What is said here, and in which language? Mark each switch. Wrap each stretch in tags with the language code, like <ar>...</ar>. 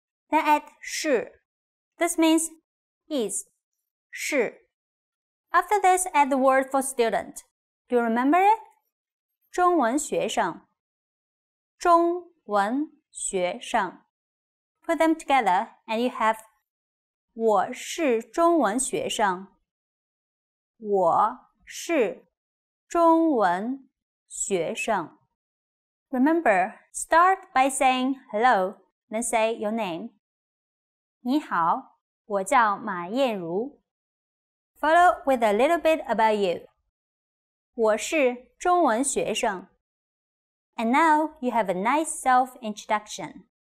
<en>Then add 是, this means is,</en> <zh>是.</zh> <en>After this, add the word for student. Do you remember it?</en> <zh>中文学生, 中文学生.</zh> <en>Put them together and you have</en> <zh>我是中文学生, 我是中文学生.</zh> <en>Remember, start by saying hello, then say your name.</en> <zh>你好，我叫马燕如。</zh> <en>Follow with a little bit about you.</en> <zh>我是中文学生。</zh> <en>And now you have a nice self-introduction.</en>